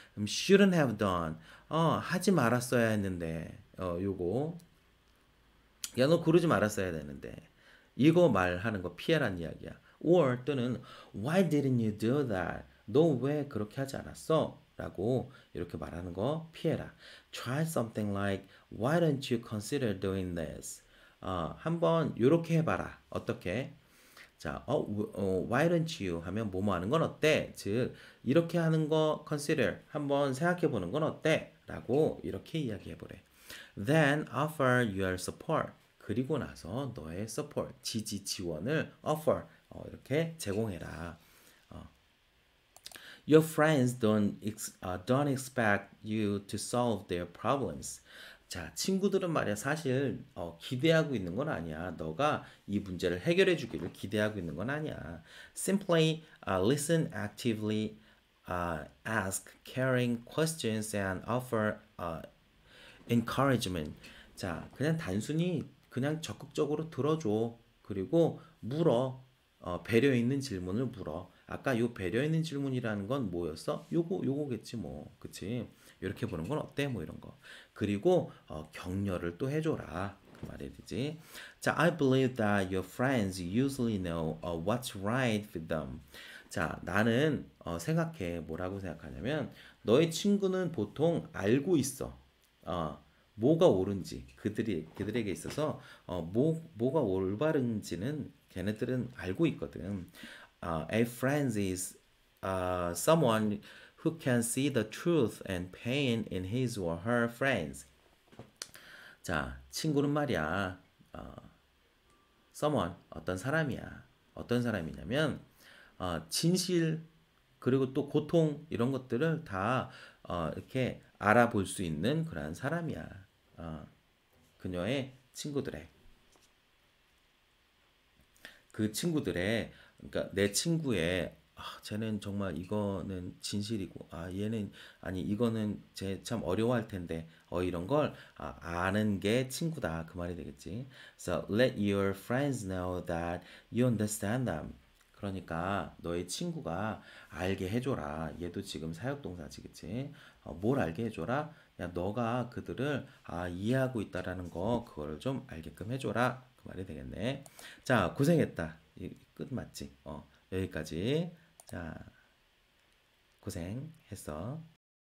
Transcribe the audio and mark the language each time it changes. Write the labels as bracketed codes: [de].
[ko] 그럼 [en] shouldn't have done, [ko] 하지 말았어야 했는데. 요거. 야, 너 그러지 말았어야 되는데. 이거 말하는 거 피해란 이야기야. [en] Or [ko] 또는 [en] Why didn't you do that? [ko] 너왜 그렇게 하지 않았어? 라고 이렇게 말하는 거 피해라. [en] Try something like Why don't you consider doing this? [ko] 한번 이렇게 해봐라. 어떻게? 자, [en] Why don't you? [ko] 하면 뭐뭐 하는 건 어때? 즉, 이렇게 하는 거 consider. 한번 생각해 보는 건 어때? 라고 이렇게 이야기해 보래. [en] Then offer your support. [ko] 그리고 나서 너의 support, 지지, 지원을 offer, 이렇게 제공해라. [en] Your friends don't expect you to solve their problems. [ko] 자, 친구들은 말이야, 사실 기대하고 있는 건 아니야. 너가 이 문제를 해결해 주기를 기대하고 있는 건 아니야. [en] Simply listen actively ask caring questions and offer encouragement. [ko] 자, 그냥 단순히 그냥 적극적으로 들어줘. 그리고 물어. 배려 있는 질문을 물어. 아까 요 배려 있는 질문이라는 건 뭐였어? 요거겠지 뭐. 그치? 이렇게 보는 건 어때? 뭐 이런 거. 그리고 격려를 또 해줘라. 말해야 되지. [en] 자, I believe that your friends usually know what's right with them. [ko] 자, 나는 생각해. 뭐라고 생각하냐면 너의 친구는 보통 알고 있어. 뭐가 옳은지. 그들에게 있어서 뭐가 올바른지는 걔네들은 알고 있거든. [en] A friend is someone who can see the truth and pain in his or her friends. [ko] 자, 친구는 말이야, someone, 어떤 사람이야. 어떤 사람이냐면, 진실, 그리고 또 고통, 이런 것들을 다, 이렇게 알아볼 수 있는 그런 사람이야. 그녀의 친구들의. 그 친구들의, 그러니까 내 친구의, 쟤는 정말 이거는 진실이고, 얘는, 아니, 이거는 쟤참 어려워할 텐데, 이런 걸 아는 게 친구다. 그 말이 되겠지. [en] So let your friends know that you understand them. [ko] 그러니까 너의 친구가 알게 해줘라. 얘도 지금 사역동사지, 그치? 뭘 알게 해줘라? 야, 너가 그들을 이해하고 있다라는 거, 그걸 좀 알게끔 해줘라. 그 말이 되겠네. 자, 고생했다. 끝 맞지? 여기까지. 자, 고생했어.